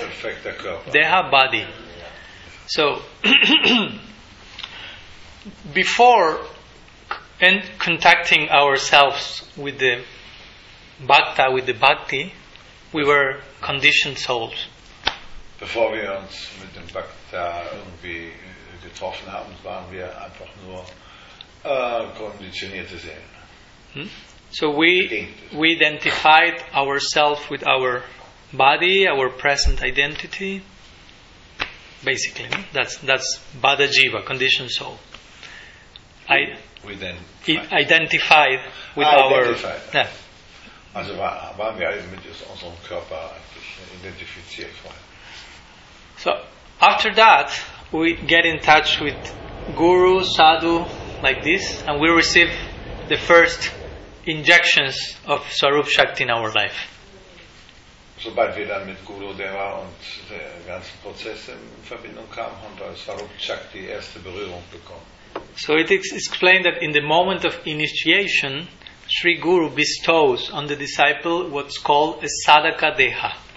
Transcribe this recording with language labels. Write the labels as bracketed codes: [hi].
[en] Perfected Körper. Deha, body. So, before and contacting ourselves with the bhakta, with the bhakti, we were conditioned souls. Before we [de] uns mit dem bhakta irgendwie getroffen haben, waren wir einfach nur konditionierte Seelen. [en] So we identified ourselves with our body, our present identity. Basically, that's Baddha Jiva, conditioned soul. We then identified with identified. Our [de] Also waren wir alle mit unserem Körper eigentlich identifiziert vorher. [en] So, after that, we get in touch with Guru, Sadhu, like this, and we receive the first injections of Swarup Shakti in our life. [de] Sobald wir dann mit Guru Deva und der ganzen Prozess in Verbindung kamen, haben wir Swarup Shakti die erste Berührung bekommen. [en] So it is explained that in the moment of initiation, Sri Guru bestows on the disciple what's called a sadaka deha.